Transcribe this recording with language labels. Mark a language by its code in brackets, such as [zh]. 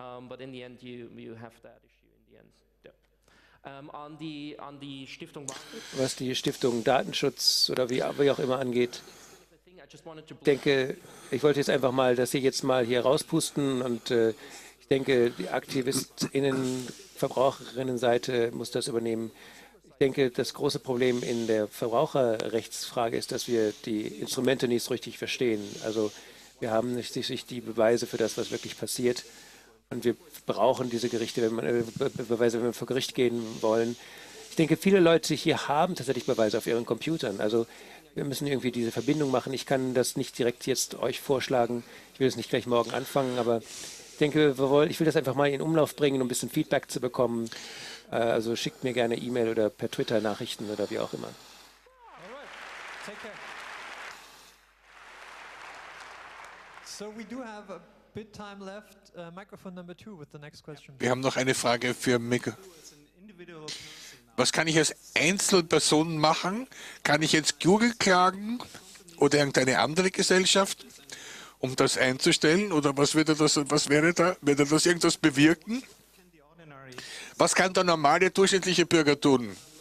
[en] But in the end, you have that issue in the end. Yep. On the Stiftung, [de] was die Stiftung Datenschutz oder wie auch immer angeht, denke, ich wollte jetzt einfach mal, dass Sie jetzt mal hier rauspusten und ich denke, die AktivistInnen, Verbraucherinnenseite muss das übernehmen. Ich denke, das große Problem in der Verbraucherrechtsfrage ist, dass wir die Instrumente nicht so richtig verstehen. Also wir haben nicht sich die Beweise für das, was wirklich passiert. Und wir brauchen diese Gerichte, wenn wir vor Gericht gehen wollen. Ich denke, viele Leute hier haben tatsächlich Beweise auf ihren Computern. Also wir müssen irgendwie diese Verbindung machen. Ich kann das nicht direkt jetzt euch vorschlagen. Ich will es nicht gleich morgen anfangen, aber ich denke, ich will das einfach mal in Umlauf bringen, um ein bisschen Feedback zu bekommen. Also schickt mir gerne E-Mail oder per Twitter Nachrichten oder wie auch immer. [en] Alright. Take care. So we do have a bit time left. Microphone number two with the next question. [de] Wir haben noch eine Frage für Mikko. Was kann ich als Einzelperson machen? Kann ich jetzt Google klagen oder irgendeine andere Gesellschaft, um das einzustellen? Oder würde das irgendwas bewirken? Was kann der normale, durchschnittliche Bürger tun?